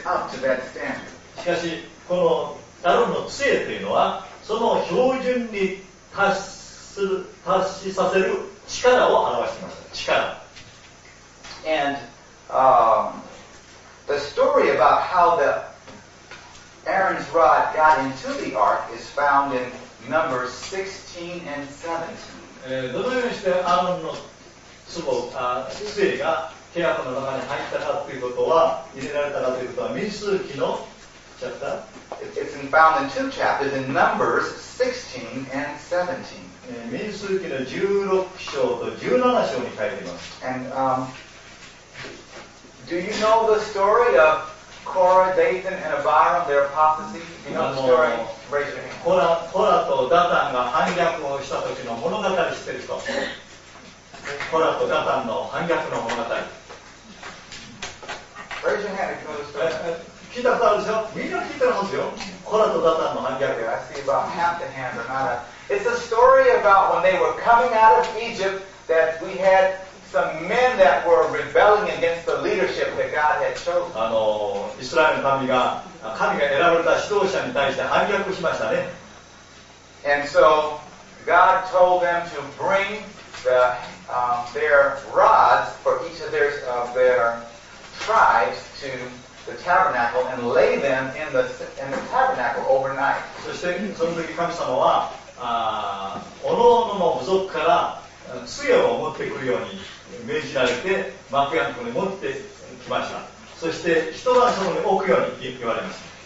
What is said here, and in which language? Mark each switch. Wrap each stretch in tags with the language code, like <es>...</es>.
<ja>しかしこのアロンの杖というのはその標準に達しさせる力を表しています。力。</ja> <en>And the story about how the Aaron's rod got into the ark is found in Numbers 16 and 17.</en> <ja>どのようにしてアロンの杖が契約の中に入ったかということは、入れられたかということは、民数記のチャプター</ja> <en>It's found in two chapters, in Numbers 16 and 17.</en> <ja>民数記の16章と17章に書いています。</ja> <en>And, do you know the story of Korah, Dathan, and Abiram, their apostasy? You know the story? Raise your hand.</en> <ja>コラとダタンが反逆をした時の物語知ってる人。コラとダタンの反逆の物語。</ja> <en>Raise your hand if you know the story.</en> <ja>聞いたことあるでしょ。みんな聞いてますよ。コラとダタンの反逆。</ja> <en>Yeah, I see about half the hands are not. It's a story about when they were coming out of Egypt that we had some men that were rebelling against the leadership that God had chosen.</en> <ja>イスラエルの民が神が選ばれた指導者に対して反逆しましたね。</ja> <en>And so God told them to bring the their rods for each of their tribes to the tabernacle and lay them in the tabernacle overnight.</en> <ja>そしてその時神様は、おのおのの部族から杖を持ってくるように命じられて幕屋のところに持ってきました。そして人がそこに置くように言われました。</ja>